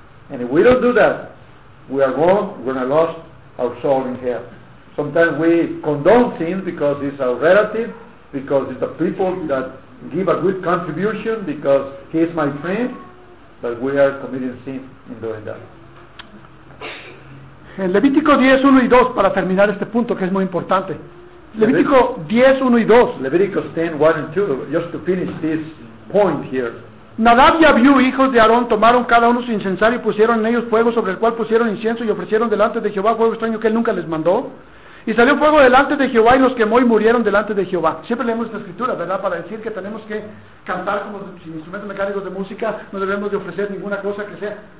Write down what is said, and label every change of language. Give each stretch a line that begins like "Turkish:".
English: And if we don't do that, we are wrong. We're going to lose our soul in hell. Sometimes we condone sins because it's our relative, because it's the people that give a good contribution, because he is my friend, but we are committing sin in doing that.
Spanish: En Levítico 10, 1 y 2, para terminar este punto que es muy importante. Levítico 10, 1 y 2.
English: Levítico 10, 1 and 2, just to finish this point here.
Spanish: Nadab y Abiú, hijos de Aarón, tomaron cada uno su incensario y pusieron en ellos fuego, sobre el cual pusieron incienso y ofrecieron delante de Jehová fuego extraño que él nunca les mandó. Y salió fuego delante de Jehová y los quemó y murieron delante de Jehová. Siempre leemos esta escritura, ¿verdad? Para decir que tenemos que cantar como sin instrumentos mecánicos de música, no debemos de ofrecer ninguna cosa que sea.